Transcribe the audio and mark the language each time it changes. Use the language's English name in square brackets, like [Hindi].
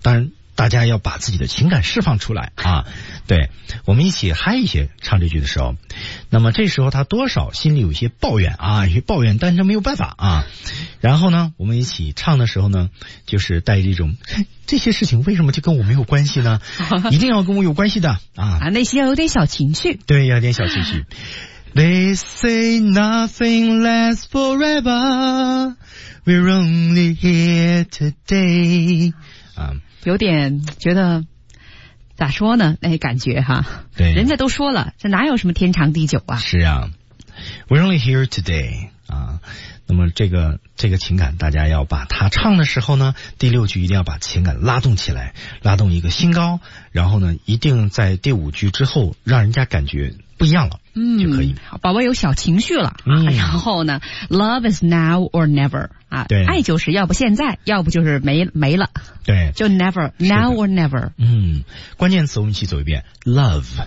[Chinese] 当然大家要把自己的情感释放出来啊，对，我们一起嗨一些唱这句的时候，那么这时候他多少心里有一些抱怨啊，有些抱怨，但是没有办法啊。然后呢我们一起唱的时候呢，就是带着一种这些事情为什么就跟我没有关系呢，一定要跟我有关系的啊，内心要有点小情绪，对，要有点小情绪。 [English] They say nothing lasts forever. We're only here today. 啊， [Chinese] 有点觉得咋说呢？那些感觉哈。对，人家都说了，这哪有什么天长地久啊？是啊 [English] ，We're only here today. [Chinese] 啊，那么这个情感，大家要把它唱的时候呢，第六句一定要把情感拉动起来，拉动一个新高，然后呢，一定在第五句之后让人家感觉不一样了。嗯，就可以，宝宝有小情绪了，嗯，然后呢 ， [English] Love is now or never [Chinese] 啊，对，爱就是要不现在，要不就是没了，对， [English] 就 never now or never。 [Chinese] 嗯，关键词我们一起走一遍 ，love